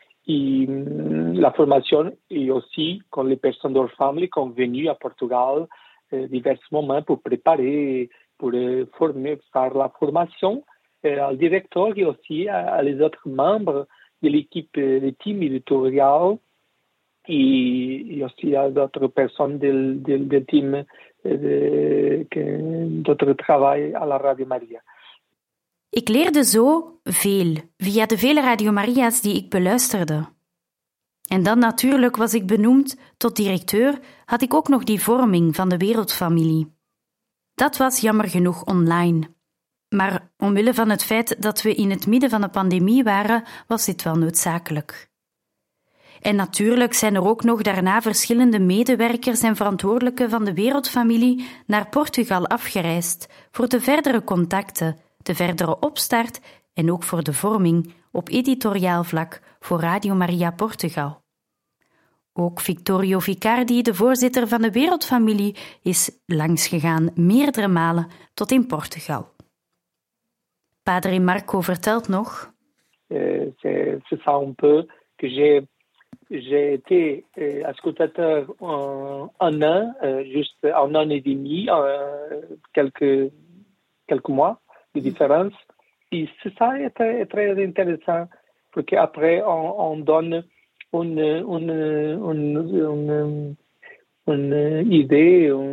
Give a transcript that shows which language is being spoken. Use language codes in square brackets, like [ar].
[fr] Et la formation et aussi quand les personnes de leur famille sont venues à Portugal divers moments pour préparer, pour former, faire la formation au directeur et aussi à les autres membres de l'équipe, du team éditorial et aussi à d'autres personnes du team d'autres travail à la Radio Maria. [nl] Ik leerde zo veel, via de vele Radio Maria's die ik beluisterde. En dan natuurlijk was ik benoemd tot directeur, had ik ook nog die vorming van de wereldfamilie. Dat was jammer genoeg online. Maar omwille van het feit dat we in het midden van de pandemie waren, was dit wel noodzakelijk. En natuurlijk zijn er ook nog daarna verschillende medewerkers en verantwoordelijken van de wereldfamilie naar Portugal afgereisd voor de verdere contacten, de verdere opstart en ook voor de vorming op editoriaal vlak voor Radio Maria Portugal. Ook Victorio Vicardi, de voorzitter van de wereldfamilie, is langsgegaan meerdere malen tot in Portugal. Padre Marco vertelt nog... [fr] C'est ça un peu que j'ai été ascoltateur un an et demi, quelques mois. De différence. Et c'est ça qui est très intéressant, parce qu'après, on donne une idée.